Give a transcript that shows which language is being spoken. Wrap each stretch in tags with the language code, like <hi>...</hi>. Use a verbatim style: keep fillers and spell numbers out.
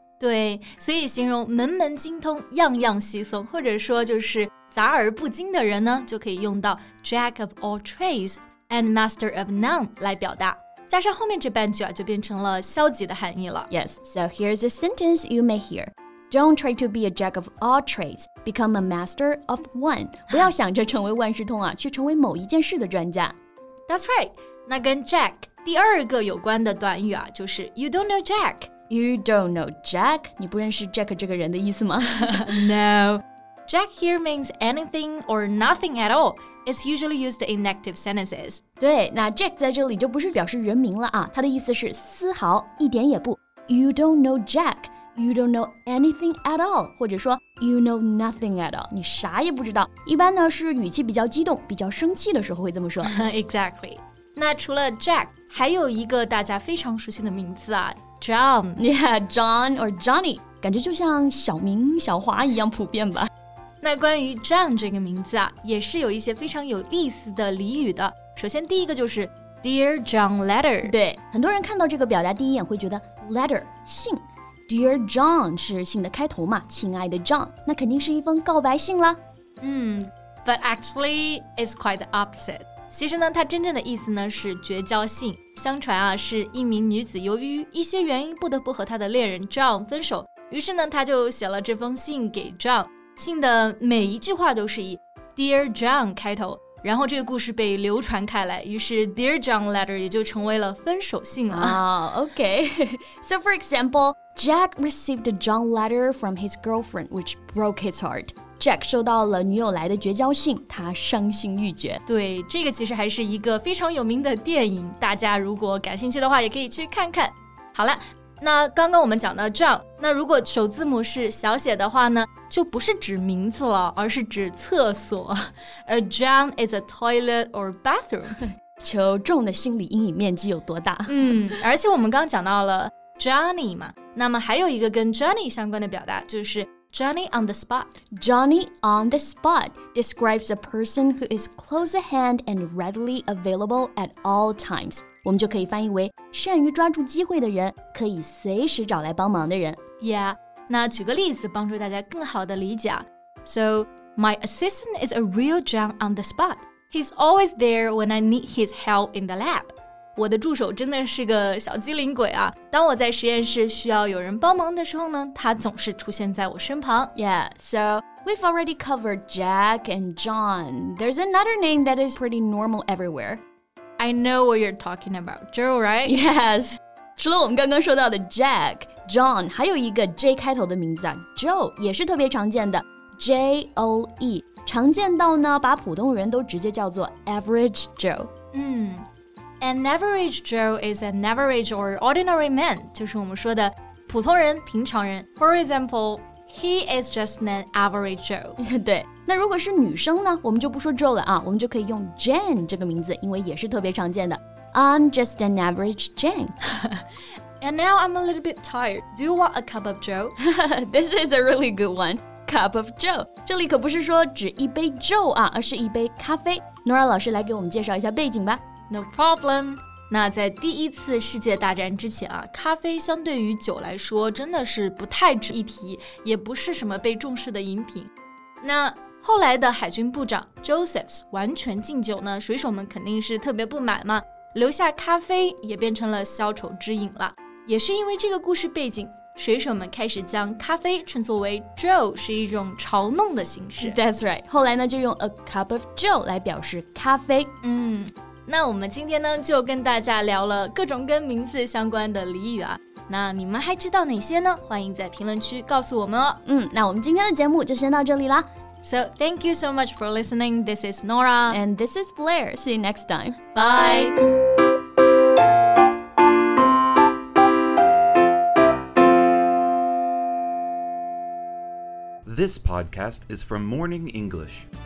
<zh>对，所以形容门门精通，样样稀松，或者说就是杂而不精的人呢，就可以用到 Jack of all trades.</zh> <en>And master of none</en> <zh>来表达，加上后面这半句啊，就变成了消极的含义了。</zh> <en>Yes, so here's a sentence you may hear. Don't try to be a jack of all trades, become a master of one.</en> <zh>不要想着成为万事通啊，去成为某一件事的专家。</zh> <en>That's right.</en> <zh>那跟 Jack 第二个有关的短语啊，就是</zh> <en>You don't know Jack. You don't know Jack?</en> <zh>你不认识 Jack 这个人的意思吗？</zh> <en>No. Jack here means anything or nothing at all. It's usually used in negative sentences.</en> <zh>对，那 Jack 在这里就不是表示人名了啊，它的意思是丝毫一点也不。</zh> <en>You don't know Jack, you don't know anything at all,</en> <zh>或者说</zh> <en>you know nothing at all,</en> <zh>你啥也不知道。一般呢是语气比较激动、比较生气的时候会这么说。</zh> <en>Exactly.</en> <zh>那除了 Jack, 还有一个大家非常熟悉的名字啊 ，John.</zh> <en>Yeah, John or Johnny,</en> <zh>感觉就像小明、小华一样普遍吧。那关于 John 这个名字啊，也是有一些非常有意思的俚语的。首先第一个就是 Dear John letter。对，很多人看到这个表达第一眼会觉得 letter 信 ，Dear John 是信的开头嘛，亲爱的 John， 那肯定是一封告白信啦。</zh> <en>嗯 ，But actually it's quite the opposite。</en> <zh>其实呢，它真正的意思呢是绝交信。相传啊，是一名女子由于一些原因不得不和她的恋人 John 分手，于是呢，她就写了这封信给 John。信的每一句话都是以 Dear John 开头，然后这个故事被流传开来，于是 Dear John letter 也就成为了分手信了。</zh> <en>Oh, okay. So for example, Jack received a John letter from his girlfriend, which broke his heart.</en> <zh>Jack 收到了女友来的绝交信，他伤心欲绝。对，这个其实还是一个非常有名的电影，大家如果感兴趣的话也可以去看看。好了，那刚刚我们讲到 John， 那如果首字母是小写的话呢，就不是指名字了，而是指厕所。</zh> <en>A John is a toilet or bathroom。</en> <zh>求重的心理阴影面积有多大？嗯，而且我们刚讲到了 Johnny 嘛，那么还有一个跟 Johnny 相关的表达就是 Johnny on the spot。</zh> <en>Johnny on the spot describes a person who is close at hand and readily available at all times。</en> <zh>我们就可以翻译为善于抓住机会的人，可以随时找来帮忙的人。</zh> <en>Yeah，</en> <zh>那举个例子帮助大家更好的理解。</zh> <en>So, my assistant is a real John on the spot. He's always there when I need his help in the lab.</en> <zh>我的助手真的是个小机灵鬼啊，当我在实验室需要有人帮忙的时候呢，他总是出现在我身旁。</zh> <en>Yeah, so we've already covered Jack and John. There's another name that is pretty normal everywhere. I know what you're talking about, Joe, right? Yes.</en> <zh>除了我们刚刚说到的 Jack, John, 还有一个 J 开头的名字啊 Joe 也是特别常见的 J O E, 常见到呢把普通人都直接叫做 Average Joe.</zh> <en>嗯 An average Joe is an average or ordinary man,</en> <zh>就是我们说的普通人、平常人。</zh> <en>For example, he is just an average Joe.</en> <zh>对。那如果是女生呢，我们就不说 Joe 了啊，我们就可以用 Jane 这个名字，因为也是特别常见的。</zh> <en>I'm just an average Jane. And now I'm a little bit tired. Do you want a cup of Joe? This is a really good one. Cup of Joe.</en> <zh>这里可不是说只一杯 Joe 啊，而是一杯咖啡。 Nora 老师来给我们介绍一下背景吧。</zh> <en>No problem.</en> <zh>那在第一次世界大战之前啊，咖啡相对于酒来说真的是不太值一提，也不是什么被重视的饮品。那后来的海军部长 Josephs 完全禁酒呢，水手们肯定是特别不满嘛，留下咖啡也变成了消愁之饮了。也是因为这个故事背景，水手们开始将咖啡称作为 Joe， 是一种嘲弄的形式。</zh> <en>That's right，</en> <zh>后来呢就用 a cup of Joe 来表示咖啡。嗯，那我们今天呢就跟大家聊了各种跟名字相关的俚语啊，那你们还知道哪些呢？欢迎在评论区告诉我们哦。嗯，那我们今天的节目就先到这里啦。</zh> <en>So, thank you so much for listening. This is Nora. And this is Blair. See you next time. Bye. Bye. This podcast is from Morning English.</en>